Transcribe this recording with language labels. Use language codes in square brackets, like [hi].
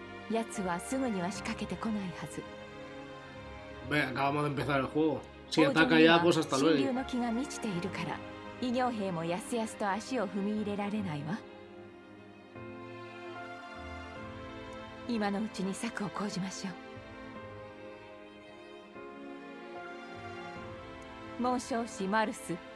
[ja] やつはすぐには仕掛けてこないはず。 [es] ve, acabamos de empezar el juego. Si ataca ya, pues hasta luego. [ja] 神竜の気が満ちているから、異形兵もやすやすと足を踏み入れられないわ。今のうちに策を講じましょう。紋章師マルス。